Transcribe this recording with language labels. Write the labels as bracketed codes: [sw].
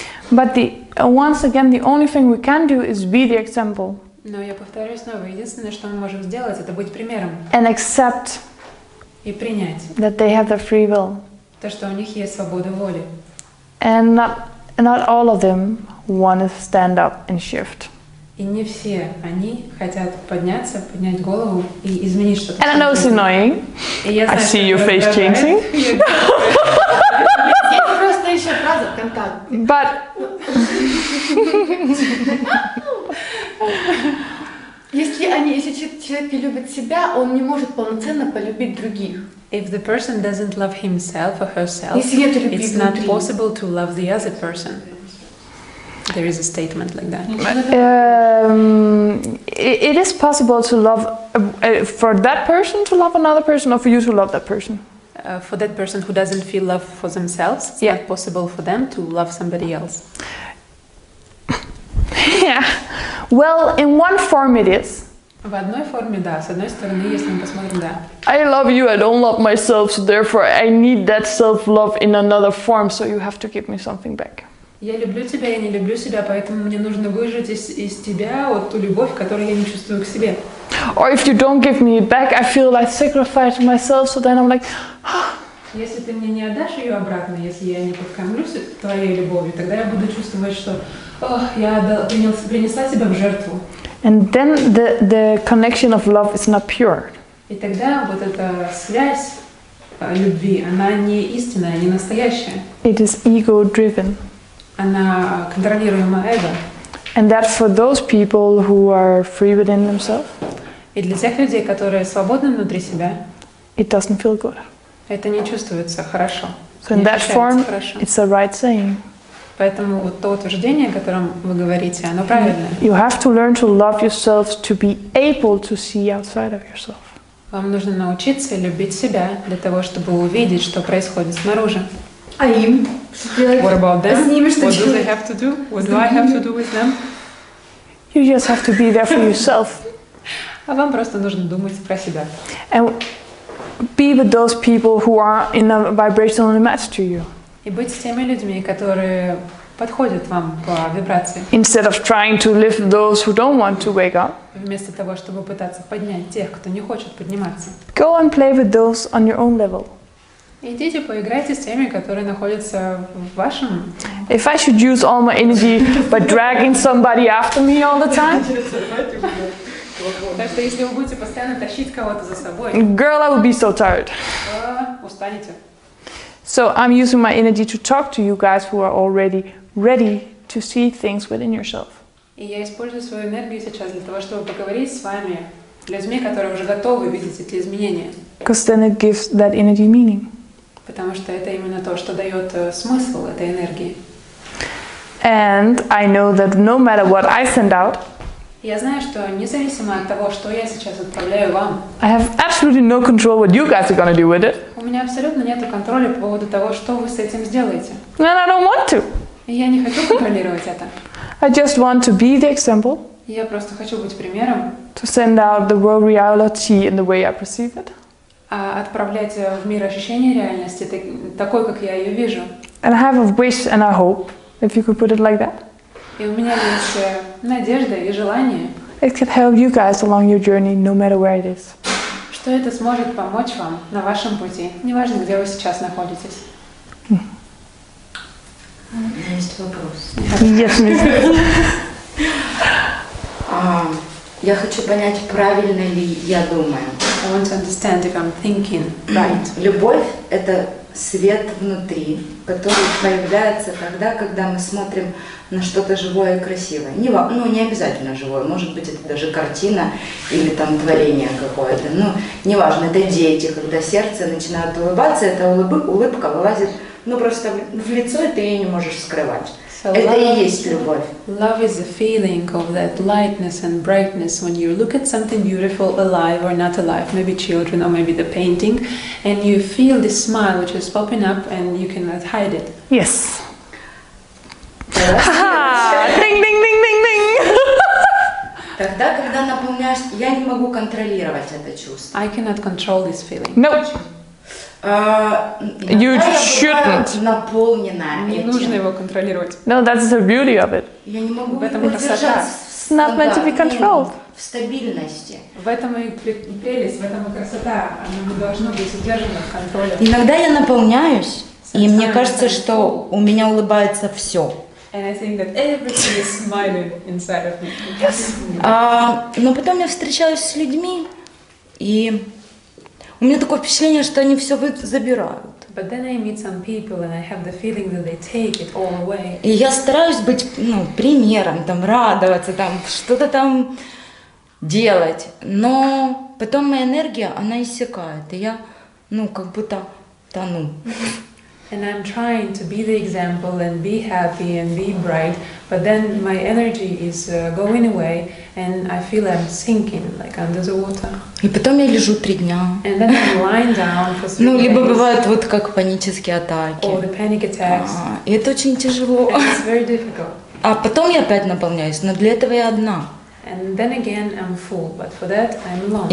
[en] But the once again, the only thing we can do is be the example. [ru] Но я повторю снова, единственное, что мы можем сделать, это быть примером. [en] And accept. [ru] И принять. [en] That they have the free will. [ru] То, что у них есть свобода воли. [en] And not all of them want to stand up and shift. [ru] И не все они хотят подняться, поднять голову и изменить что-то. [en] And I know it's annoying. [ru] Знаю, [en] I see your face changing. [ru] Это просто еще фраза в контакте. [en] But... [ru] Если человек не любит себя, он не может полноценно полюбить других. [en] If the person doesn't love himself or herself, it's [ru] внутри. [en] Not possible to love the other person. There is a statement like that. It is possible to love for that person to love another person, or for you to love that person. For that person who doesn't feel love for themselves, it's not possible for them to love somebody else. Yeah. Well, in one form it is. [ru] В одной форме, да. С одной стороны, если мы посмотрим, да. [en] I love you, I don't love myself, so therefore I need that self-love in another form, so you have to give me something back. [ru] Я люблю тебя, я не люблю себя, поэтому мне нужно выжать из тебя вот ту любовь, которую я не чувствую к себе. [en] Or if you don't give me it back, I feel like sacrificed myself, so then I'm like... [ru] Если ты мне не отдашь ее обратно, если я не подкормлюсь твоей любовью, тогда я буду чувствовать, что... принесла себя в жертву. [en] And then the connection of love is not pure. [ru] И тогда вот эта связь любви, она не истинная, не настоящая. [en] It is ego-driven. [ru] Она контролируема эго. [en] And that's for those people who are free within themselves. [ru] И для тех людей, которые свободны внутри себя. [en] It doesn't feel good. [ru] Это не чувствуется хорошо. [en] So in that form, it's a right saying. [ru] Поэтому вот то утверждение, о котором вы говорите, оно правильное. [en] You have to learn to love yourself to be able to see outside of yourself. [ru] Вам нужно научиться любить себя для того, чтобы увидеть, что происходит снаружи. А им? [en] What about them? [ru] С ними что делать? [en] What do they have to do? What do I have to do with them? You just have to be there for yourself. [ru] А вам просто нужно думать про себя. [en] And be with those people who are in a vibrational match to you. [ru] И быть с теми людьми, которые подходят вам по вибрации. [en] Instead of trying to lift those who don't want to wake up. [ru] Вместо того, чтобы пытаться поднять тех, кто не хочет подниматься. [en] Go and play with those on your own level. [ru] Идите поиграйте с теми, которые находятся в вашем. [en] If I should use all my energy by dragging somebody after me all the time. [ru] Так что если вы будете постоянно тащить кого-то за собой. [en] Girl, I would be so tired. [ru] Устанете. [en] So I'm using my energy to talk to you guys who are already ready to see things within yourself. [ru] И я использую свою энергию сейчас для того, чтобы поговорить с вами, людьми, которые уже готовы видеть эти изменения. [en] Because then it gives that energy meaning. [ru] Потому что это именно то, что дает смысл этой энергии. [en] And I know that no matter what I send out, [ru] я знаю, что независимо от того, что я сейчас отправляю вам, [en] I have absolutely no control what you guys are gonna do with it. [ru] У меня абсолютно нет контроля по поводу того, что вы с этим сделаете. [en] And I don't want to. [ru] И я не хочу контролировать это. [en] I just want to be the example. [ru] Я просто хочу быть примером. [en] To send out the world reality in the way I perceive it. [ru] А отправлять в мир ощущение реальности такой, как я ее вижу. [en] And I have a wish and I hope, if you could put it like that. [ru] И у меня есть надежда и желание. [en] It can help you guys along your journey, no matter where it is. [ru] Что это сможет помочь вам на вашем пути, неважно, где вы сейчас находитесь. У меня есть вопрос. [en] Yes, miss. [ru] Я хочу понять, правильно ли я думаю. [en] I want to understand if I'm thinking right. [ru] Любовь — это свет внутри, который появляется тогда, когда мы смотрим на что-то живое и красивое. Не, ну, не обязательно живое, может быть, это даже картина или там творение какое-то. Ну, неважно, это дети, когда сердце начинает улыбаться, эта улыбка вылазит, ну, просто в лицо, и ты ее не можешь скрывать. So это и есть любовь. [en] Love is a feeling of that lightness and brightness when you look at something beautiful, alive or not alive, maybe children or maybe the painting, and you feel this smile which is popping up and you cannot hide it. Yes. Ding, ding, ding, ding, ding. [ru] Тогда, когда наполняешь, я не могу контролировать это чувство. [en] I cannot control this feeling. No. You shouldn't. [ru] Не нужно его контролировать. [en] No, that's the beauty of it. [ru] Я не могу в этом красота. [en] It's not meant to be controlled. [ru] В стабильности. В этом и прелесть, в этом и красота. Оно не должно быть удержано в контроле. Иногда я наполняюсь, и мне кажется, что у меня улыбается все. [en] And I think that everything is smiling inside of me. Yes. [ru] Но потом я встречаюсь с людьми, и у меня такое впечатление, что они все забирают. [en] But then I meet some people and I have the feeling that they take it all away. [ru] И я стараюсь быть, ну, примером, там, радоваться, там, что-то там делать. Но потом моя энергия, она иссякает, и я, ну, как будто тону. [en] And I'm trying to be the example and be happy and be bright, but then my energy is going away and I feel I'm sinking, like under the water. [ru] И потом я лежу три дня. [en] And then I'm lying down for three [ru] Ну, либо бывают вот как панические атаки. [en] Or the panic attacks. [ru] И это очень тяжело. [en] And it's very difficult. [ru] А потом я опять наполняюсь, но для этого я одна. [en] And then again I'm full, but for that I'm alone.